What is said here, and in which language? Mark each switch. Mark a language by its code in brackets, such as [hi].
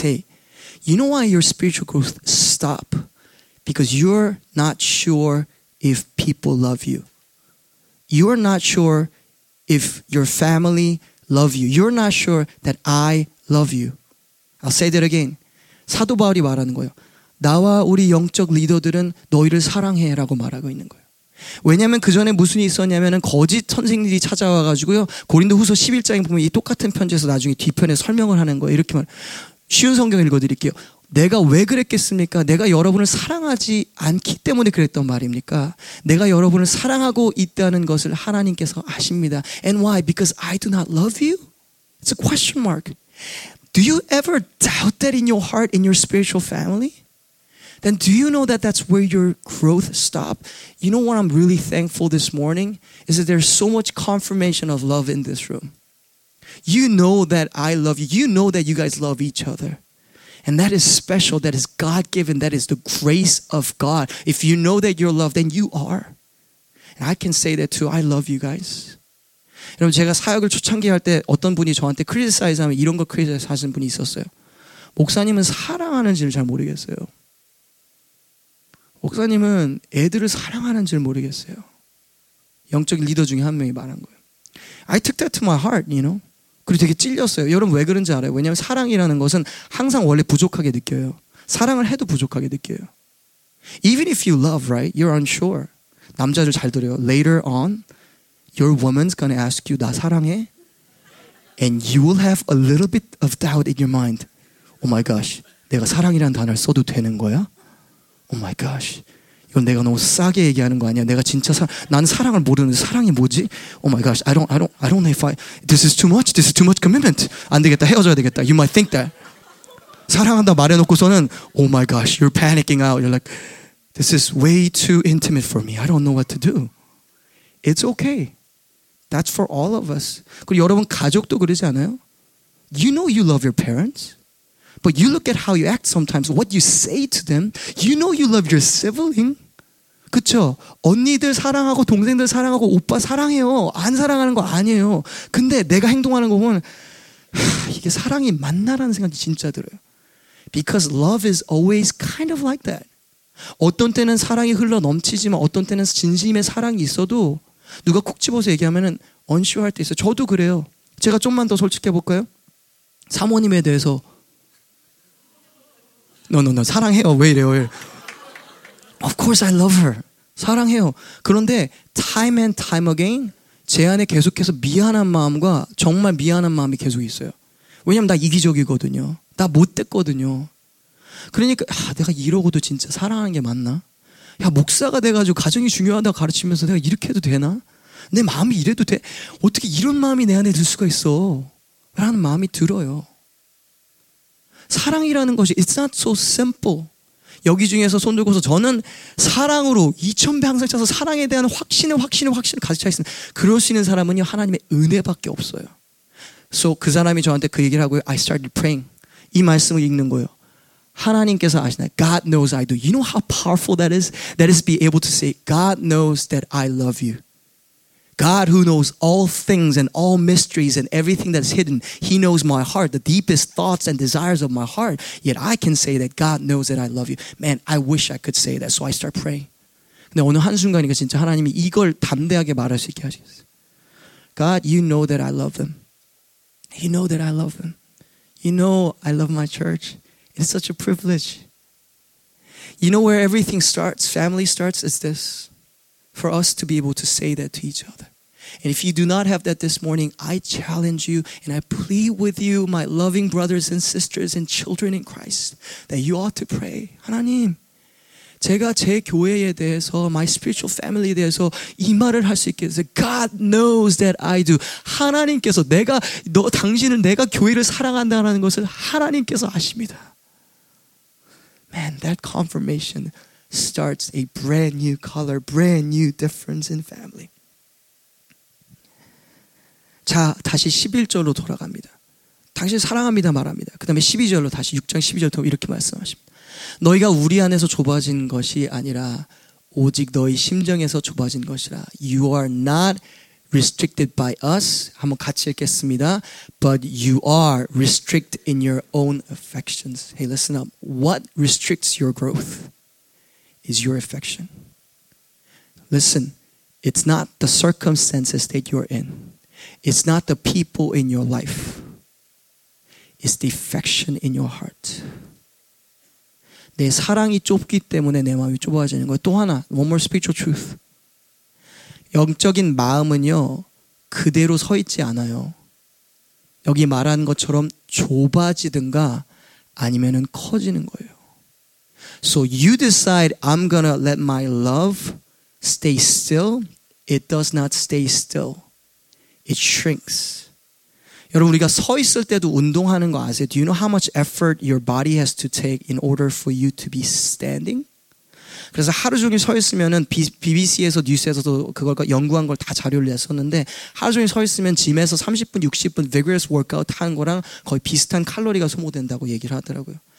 [en] Hey, you know why your spiritual growth stopped? Because you're not sure if people love you. You're not sure if your family love you. You're not sure that I love you. I'll say that again. [ko] 사도 바울이 말하는 거예요. 나와 우리 영적 리더들은 너희를 사랑해라고 말하고 있는 거예요. 왜냐하면 그 전에 무슨 일이 있었냐면은 거짓 선생들이 찾아와가지고요 고린도후서 11장에 보면 이 똑같은 편지에서 나중에 뒤편에 설명을 하는 거예요. 이렇게 말 쉬운 성경 읽어드릴게요. 내가 왜 그랬겠습니까? 내가 여러분을 사랑하지 않기 때문에 그랬던 말입니까? 내가 여러분을 사랑하고 있다는 것을 하나님께서 아십니다. [en] And why? Because I do not love you? It's a question mark. Do you ever doubt that in your heart, in your spiritual family? Then do you know that that's where your growth stopped? You know what I'm really thankful this morning? Is that there's so much confirmation of love in this room. You know that I love you. You know that you guys love each other. And that is special. That is God-given. That is the grace of God. If you know that you're loved, then you are. And I can say that too. I love you guys. [ko] 여러분 제가 사역을 초창기 할 때 어떤 분이 저한테 크리티사이즈 하면 이런 거 크리티사이즈 하신 분이 있었어요. 목사님은 사랑하는지를 잘 모르겠어요. 목사님은 애들을 사랑하는 줄 모르겠어요. 영적인 리더 중에 한 명이 말한 거예요. [en] I took that to my heart, you know. [ko] 그리고 되게 찔렸어요. 여러분 왜 그런지 알아요? 왜냐하면 사랑이라는 것은 항상 원래 부족하게 느껴요. 사랑을 해도 부족하게 느껴요. [en] Even if you love, right? You're unsure. [ko] 남자들 잘 들어요. [en] Later on, your woman's gonna ask you, [ko] 나 사랑해? [en] And you will have a little bit of doubt in your mind. Oh my gosh, [ko] 내가 사랑이라는 단어를 써도 되는 거야? Oh my gosh, 이건 내가 너무 싸게 얘기하는 거 아니야? 내가 진짜 나는 사랑을 모르는데 사랑이 뭐지? [en] Oh my gosh, I don't know if I, this is too much, this is too much commitment. [ko] 안 되겠다, 헤어져야 되겠다. [en] You might think that. [ko] 사랑한다 말해놓고서는, [en] oh my gosh, you're panicking out. You're like, this is way too intimate for me. I don't know what to do. It's okay. That's for all of us. [ko] 그리고 여러분 가족도 그러지 않아요? [en] You know you love your parents. But you look at how you act sometimes, what you say to them, you know you love your sibling. [ko] 그쵸? 언니들 사랑하고 동생들 사랑하고 오빠 사랑해요. 안 사랑하는 거 아니에요. 근데 내가 행동하는 거 보면 이게 사랑이 맞나라는 생각이 진짜 들어요. [en] Because love is always kind of like that. [ko] 어떤 때는 사랑이 흘러 넘치지만 어떤 때는 진심의 사랑이 있어도 누가 콕 집어서 얘기하면은 unsure할 때 있어요. 저도 그래요. 제가 좀만 더 솔직해 볼까요? 사모님에 대해서 No. 사랑해요. 왜 이래요? 왜 이래? [en] Of course I love her. [ko] 사랑해요. 그런데 [en] time and time again [ko] 제 안에 계속해서 미안한 마음과 정말 미안한 마음이 계속 있어요. 왜냐면 나 이기적이거든요. 나 못됐거든요. 그러니까 내가 이러고도 진짜 사랑하는 게 맞나? 야 목사가 돼가지고 가정이 중요하다고 가르치면서 내가 이렇게 해도 되나? 내 마음이 이래도 돼? 어떻게 이런 마음이 내 안에 들 수가 있어? 라는 마음이 들어요. 사랑이라는 것이 [en] it's not so simple. [ko] 여기 중에서 손 들고서 저는 사랑으로 2000배 항상 차서 사랑에 대한 확신을 가득 차 있습니다. 그럴 수 있는 사람은 요 하나님의 은혜밖에 없어요. So 그 사람이 저한테 그 얘기를 하고요. [en] I started praying. [ko] 이 말씀을 읽는 거예요. 하나님께서 아시나요? [en] God knows I do. You know how powerful that is? That is to be able to say God knows that I love you. God who knows all things and all mysteries and everything that's hidden, He knows my heart, the deepest thoughts and desires of my heart. Yet I can say that God knows that I love you. Man, I wish I could say that. So I start praying. [ko] 근데 어느 한순간이니까 진짜 하나님이 이걸 담대하게 말할 수 있게 하셨어요. [en] God, you know that I love them. You know that I love them. You know I love my church. It's such a privilege. You know where everything starts, family starts, is this. For us to be able to say that to each other. And if you do not have that this morning, I challenge you and I plead with you, my loving brothers and sisters and children in Christ, that you ought to pray, 하나님, [ko] 제가 제 교회에 대해서 [en] my spiritual family [ko] 에 대해서 이 말을 할 수 있게 돼서 [en] God knows that I do. [ko] 하나님께서 내가 너 당신은 내가 교회를 사랑한다는 것을 하나님께서 아십니다. [en] Man, that confirmation starts a brand new color, brand new difference in family. [ko] 자, 다시 11절로 돌아갑니다. 당신 사랑합니다 말합니다. 그 다음에 12절로 다시 6장 12절부터 이렇게 말씀하십니다. 너희가 우리 안에서 좁아진 것이 아니라 오직 너희 심정에서 좁아진 것이라. [en] You are not restricted by us. [ko] 한번 같이 읽겠습니다. [en] But you are restricted in your own affections. Hey, listen up. What restricts your growth is your affection. Listen, it's not the circumstances that you're in. It's not the people in your life. It's the affection in your heart. [ko] 내 사랑이 좁기 때문에 내 마음이 좁아지는 거예요. 또 하나, [en] one more spiritual truth. [ko] 영적인 마음은요, 그대로 서 있지 않아요. 여기 말하는 것처럼 좁아지든가 아니면은 커지는 거예요. [en] So you decide I'm gonna let my love stay still. It does not stay still. It shrinks. [ko] 여러분 우리가 서 있을 때도 운동하는 거 아세요? [en] Do you know how much effort your body has to take in order for you to be standing? [ko] 그래서 하루 종일 서 있으면은 BBC에서 뉴스에서도 그걸 연구한 걸 다 자료를 냈었는데 하루 종일 서 있으면 짐에서 30분, 60분 [en] vigorous workout [ko] 하는 거랑 거의 비슷한 칼로리가 소모된다고 얘기를 하더라고요.